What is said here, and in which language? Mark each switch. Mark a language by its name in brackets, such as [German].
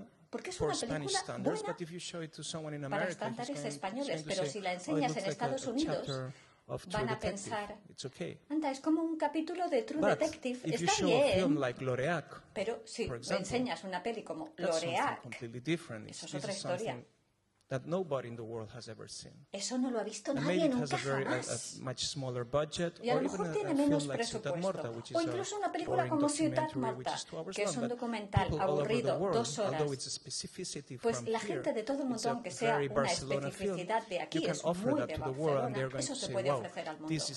[Spanish] Porque es una película buena para estándares españoles, pero si la enseñas en Estados Unidos, van a pensar, anda, es como un capítulo de True Detective, está bien. Pero si me enseñas una peli como L'Oréal, eso es otra historia. [English] That nobody in the world has ever seen. [Spanish] Eso no lo ha visto nadie nunca jamás. [English] A much smaller budget, [Spanish] y a lo mejor tiene menos presupuesto. [English] Like [Spanish] o incluso una película como Ciudad Marta, que es un documental aburrido, dos horas. Pues la gente de todo el mundo, aunque sea una especificidad de aquí, es muy de Barcelona, eso se puede ofrecer al mundo.